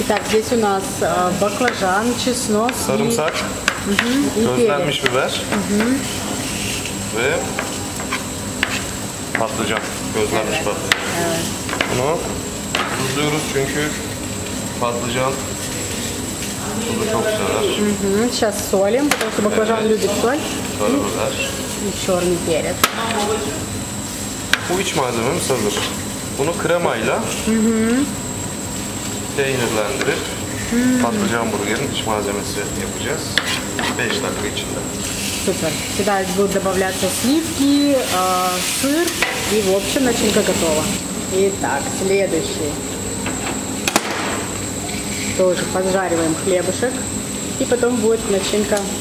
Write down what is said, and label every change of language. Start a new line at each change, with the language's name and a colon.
Russian: Здесь у нас баклажан, чеснок,
Turkish: сарымсак, közlenmiş biber ve patlıcan, közlenmiş patlıcan. Evet. Bunu tuzluyoruz çünkü patlıcan tuzu çok sever.
Russian: Сейчас солим, потому что баклажан любит соль.
Turkish: Sarı biber.
Russian: И черный перец.
Turkish: Bu iç malzeme mısırdır. Bunu kremayla peynirlendirip patlıcan burgerin iç malzemesi yapacağız. 5 dakika içinde. Süper.
Russian: Сюда будут добавляться сливки, сыр и в общем начинка готова. Итак, следующий. Тоже поджариваем хлебушек. И потом будет начинка.